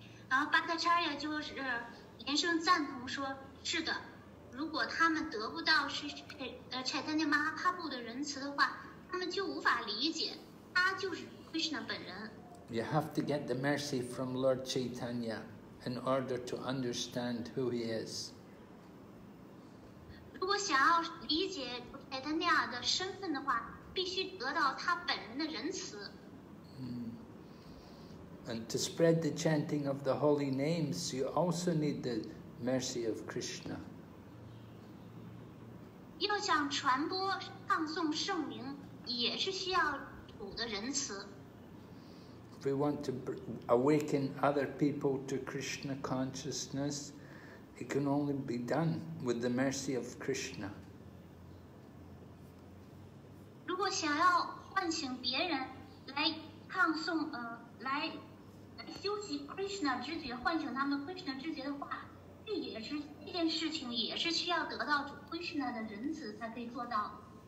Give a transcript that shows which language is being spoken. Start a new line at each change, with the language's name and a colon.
English: You have to get the mercy from Lord Chaitanya in order to understand who he is.
Chinese: 如果想要理解埃德尼亚的身份的话，必须得到他本人的仁慈。
English: And to spread the chanting of the holy names, you also need the mercy of Krishna.
Chinese: 要想传播唱诵圣名，也是需要主的仁慈。
English: If we want to awaken other people to Krishna consciousness, it can only be done with the mercy of Krishna.
Chinese: 如果想要唤醒别人来唱诵，来修习 Krishna 知觉，唤醒他们 Krishna 知觉的话，这也是这件事情也是需要得到主 Krishna 的仁慈才可以做到。